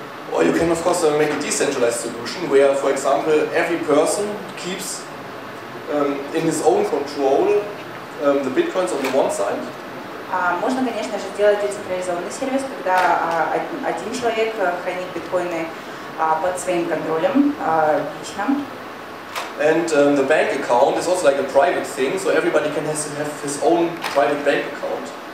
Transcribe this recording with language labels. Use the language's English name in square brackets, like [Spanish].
[English] Or you can of course make a decentralized solution where, for example, every person keeps in his own control the bitcoins on the one side. [Russian] Можно, конечно же, сделать децентрализованный сервис, когда один человек хранит биткоины под своим контролем лично. [English] And the bank account is also like a private thing, so everybody can have his own private bank account.